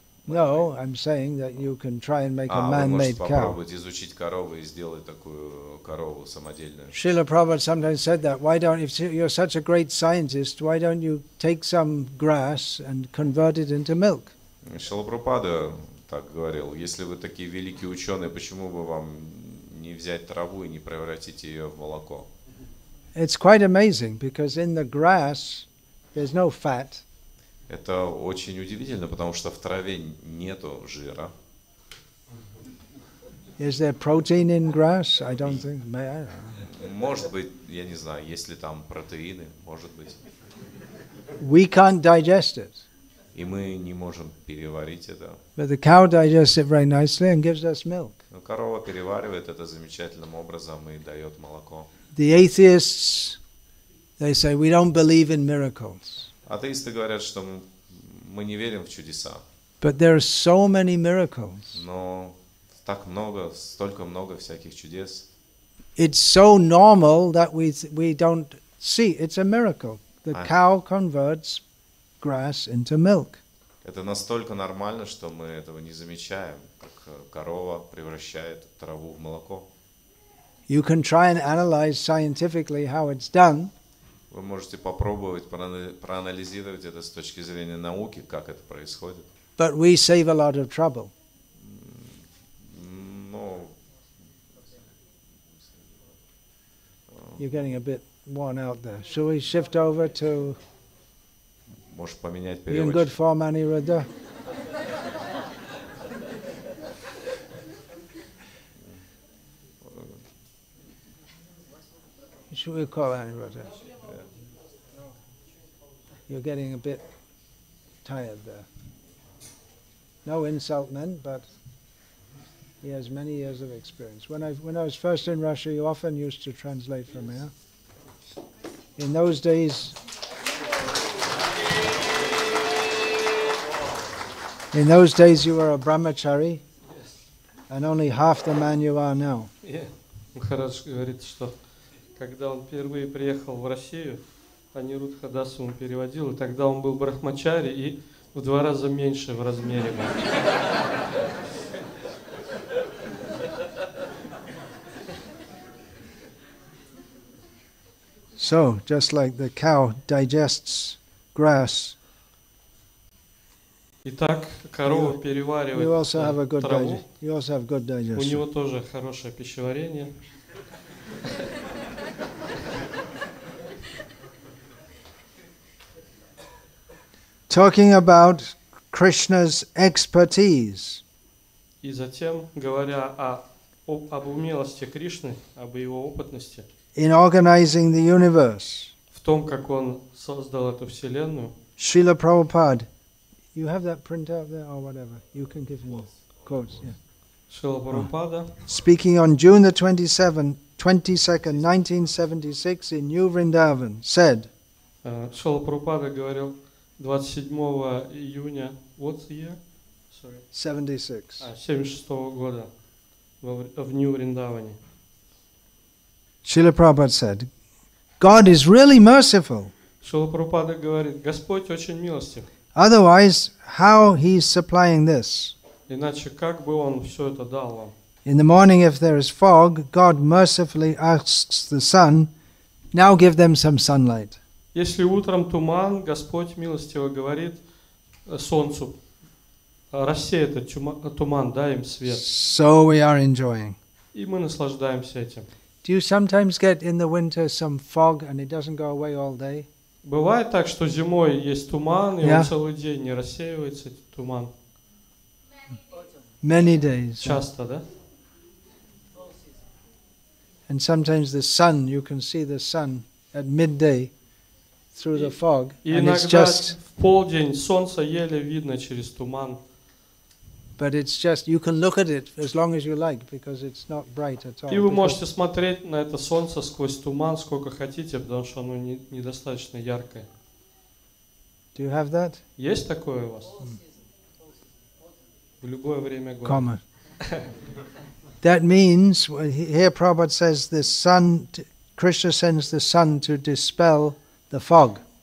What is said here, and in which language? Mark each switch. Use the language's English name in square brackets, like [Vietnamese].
[English] No, I'm saying that you can try and make a man-made cow. [Russian] Вы можете попробовать изучить корову и сделать такую корову самодельную. [English] Srila Prabhupada sometimes said that. Why don't, if you're such a great scientist, why don't you take some grass and convert it into milk? [Russian] Srila Prabhupada так говорил. Если вы такие великие ученые, почему бы вам не взять траву и не превратить ее в молоко? [English] It's quite amazing because in the grass there's no fat. [Russian] Это очень удивительно, потому что в траве нету жира. [English] Is there protein in grass? I don't think. May I? [Russian] Может быть, я не знаю, есть ли там протеины, может быть. [English] We can't digest it. [Russian] И мы не можем переварить это. [English] But the cow digests it very nicely and gives us milk. [Russian] Но корова переваривает это замечательным образом и дает молоко. [English] The atheists, they say, we don't believe in miracles. [Russian] Атеисты говорят, что мы не верим в чудеса. [English] But there are so many miracles. [Russian] Но так много, столько много всяких чудес. [English] It's so normal that we don't see. It's a miracle. The cow converts grass into milk. [Russian] Это настолько нормально, что мы этого не замечаем, как корова превращает траву в молоко. [English] You can try and analyze scientifically how it's done. [Russian] Вы можете попробовать проанализировать это с точки зрения науки, как это происходит. [English] But we save a lot of trouble. No. You're getting a bit worn out there. Shall we shift over to? [Russian] Можешь поменять переводчик. [English] You in good form, Aniruddha? Should we call Aniruddha? You're getting a bit tired there. No insult meant, but he has many years of experience. When I was first in Russia, he often used to translate for me. In those days, you were a brahmachari, and only half the man you are now. [Russian] Махарадж говорит, что когда он впервые приехал в Россию, Анирудх Дас ему переводил, и тогда он был брахмачари и в два раза меньше в размере. [English] So, just like the cow digests grass, [Russian] итак, корова переваривает траву. [English] You also have good digestion. [Russian] У него тоже хорошее пищеварение. [English] Talking about Krishna's expertise. [Russian] И затем, говоря об умелости Кришны, об его опытности, [English] in organizing the universe, [Russian] в том, как он создал эту вселенную, [English] Srila Prabhupada, you have that print out there or whatever, you can give him the quotes. Srila Prabhupada, speaking on June 22nd, 1976 in New Vrindavan, said, [Russian] Srila Prabhupada говорил 27 июня, [English] what year? Sorry. [Russian] 76-го года в New Vrindavan. [English] Srila Prabhupada said, God is really merciful. [Russian] Srila Prabhupada говорит, Господь очень милостив. [English] Otherwise, how he is supplying this? [Russian] Иначе, как бы он все это дал вам? [English] In the morning, if there is fog, God mercifully asks the sun, now give them some sunlight. [Russian] Если утром туман, Господь милостиво говорит солнцу, рассей этот туман, дай им свет. [English] So we are enjoying. [Russian] И мы наслаждаемся этим. [English] Do you sometimes get in the winter some fog and it doesn't go away all day? [Russian] Бывает так, что зимой есть туман, и он целый день не рассеивается, туман. [English] Many days. [Russian] Часто, да? [English] And sometimes the sun, you can see the sun at midday through the fog, and it's just... [Russian] В полдень солнце еле видно через туман. [English] But it's just, you can look at it as long as you like, because it's not bright at all. [Russian] И вы можете смотреть на это солнце сквозь туман сколько хотите, потому что оно недостаточно яркое. [English] Do you have that? [Russian] Есть такое у вас? В любое время года. [English] Comma. That means, here Prabhupada says, the sun, Krishna sends the sun to dispel the fog.